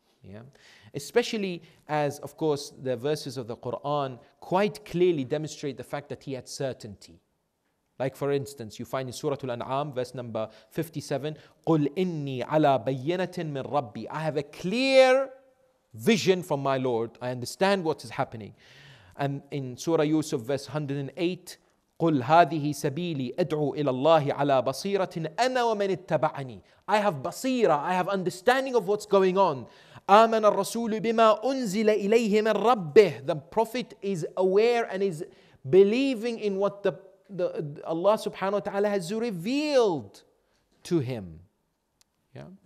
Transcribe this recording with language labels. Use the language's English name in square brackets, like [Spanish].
[English] Yeah, especially as, of course, the verses of the Quran quite clearly demonstrate the fact that he had certainty. Like, for instance, you find in Surah Al-An'am, verse number 57, [Arabic] قُلْ إِنِّي عَلَىٰ بَيِّنَةٍ مِّن رَبِّي. [English] I have a clear vision from my Lord. I understand what is happening. And in Surah Yusuf, verse 108, [Arabic] قُلْ هَذِهِ سَبِيلِي أَدْعُوا إِلَى اللَّهِ عَلَىٰ بَصِيرَةٍ أَنَا وَمَنِ اتَّبَعَنِي. [English] I have basira, I have understanding of what's going on. [Arabic] آمَنَ الرَّسُولُ بِمَا أُنزِلَ إِلَيْهِ مِن رَبِّهِ. [English] The Prophet is aware and is believing in what the Allah subhanahu wa ta'ala has revealed to him. Yeah.